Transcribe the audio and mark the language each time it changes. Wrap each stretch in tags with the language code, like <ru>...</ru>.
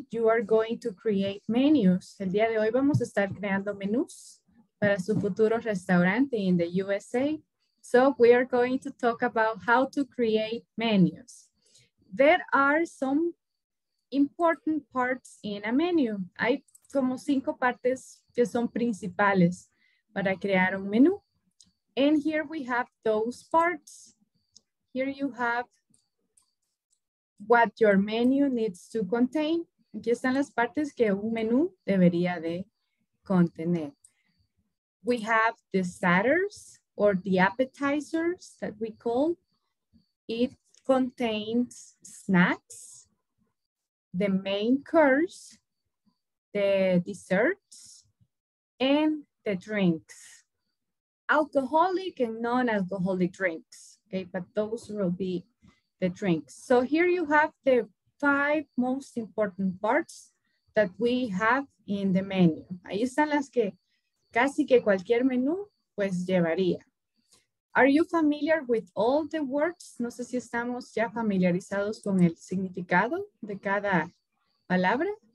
<en>You are going to create menus.</en> <es>El día de hoy vamos a estar creando menús. Para su futuro restaurante</es> <en>in the USA. So we are going to talk about how to create menus. There are some important parts in a menu.</en> <es>Hay como cinco partes que son principales para crear un menú.</es> <en>And here we have those parts. Here you have what your menu needs to contain.</en> <es>Aquí están las partes que un menú debería de contener.</es> <en>We have the starters or the appetizers that we call. It contains snacks, the main course, the desserts, and the drinks. Alcoholic and non-alcoholic drinks. Okay, but those will be the drinks. So here you have the five most important parts that we have in the menu.</en> <es>Ahí están las que casi que cualquier menú pues llevaría.</es> <en>Are you familiar with all the words?</en> <es>No sé si estamos ya familiarizados con el significado de cada palabra.</es>